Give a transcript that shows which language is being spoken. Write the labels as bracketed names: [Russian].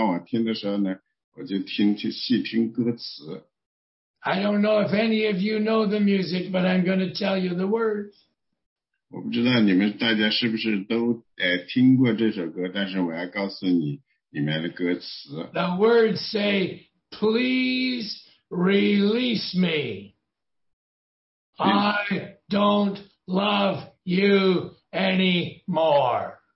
[Chinese] 所以呢，哦，这个太美了。所以另外一个时间，当我听的时候呢，我就听去细听歌词。 [English] I don't know if any of you know the music, but I'm going to tell you the words. [Chinese] 我不知道你们大家是不是都听过这首歌，但是我要告诉你。 [English] The words say, please release me. I don't love you anymore.